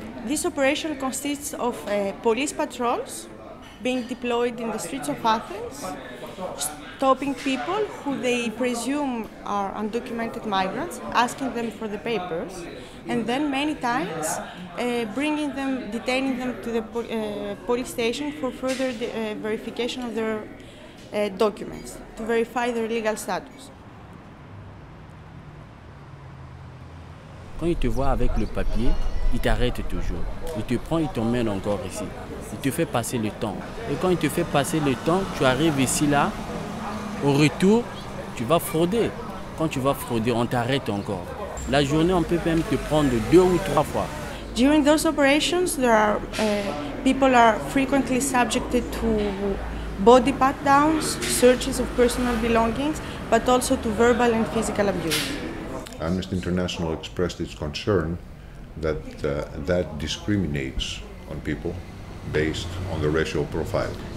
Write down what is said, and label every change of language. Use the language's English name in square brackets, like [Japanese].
[English] This operation consists of police patrols being deployed in the streets of Athens, stopping people who they presume are undocumented migrants, asking them for the papers, and then many times bringing them, detaining them to the police station for further verification of their documents, to verify their legal status. [French] Quand ils te voient avec le papier, ils t'arrêtent toujours. Ils te prennent, ils t'emmènent encore ici. Ils te font passer le temps. Et quand ils te font passer le temps, tu arrives ici là. Au retour, tu vas frauder. Quand tu vas frauder, on t'arrête encore. La journée, on peut même te prendre 2 ou 3 fois. [English] During those operations, there are people are frequently subjected to body pat downs, searches of personal belongings, but also to verbal and physical abuse. Amnesty International expressed its concern that that discriminates on people based on the racial profile.